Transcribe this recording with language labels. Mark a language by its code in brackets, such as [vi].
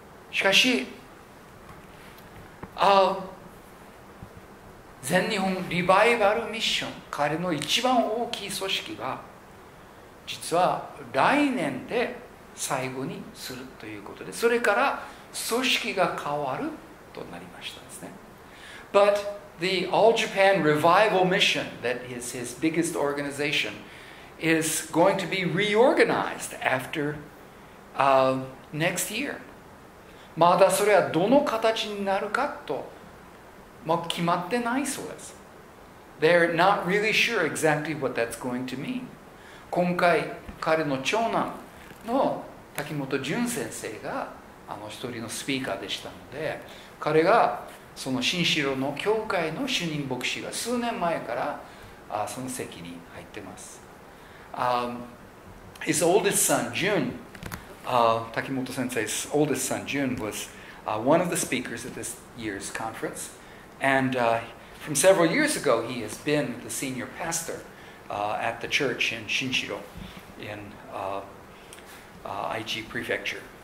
[ja] しかし、全日本リバイバルミッション、彼の一番大きい組織が実は来年で最後にするということで、それから組織が変わるとなりましたですね。 [en] But the All Japan Revival Mission, that is his biggest organization, is going to be reorganized after next year. [ja] まだそれはどの形になるかと、もう決まってないそうです。 [en] They're not really sure exactly what that's going to mean. [ja] 今回彼の長男の滝本淳先生が一人のスピーカーでしたので、彼がその新城の教会の主任牧師が数年前からその席に入ってます。 [en] His oldest son, Jun, 滝本先生's oldest son, Jun, was one of the speakers at this year's conference. And from several years ago, he has been the senior pastor at the church in Shinshiro in Aichi Prefecture.